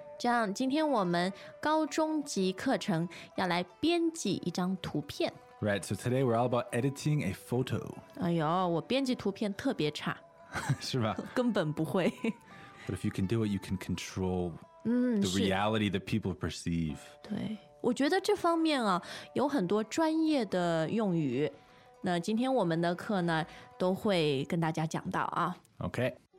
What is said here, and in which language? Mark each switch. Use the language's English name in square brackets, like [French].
[Chinese] John, 今天我们高中级课程要来编辑一张图片。 [English] Right, so today we're all about editing a photo. [Chinese] 哎呦，我编辑图片特别差。是吧？根本不会。 [English] But if you can do it, you can control the reality that people perceive. [Chinese] 对，我觉得这方面啊，有很多专业的用语。那今天我们的课呢，都会跟大家讲到啊。 [English] Okay.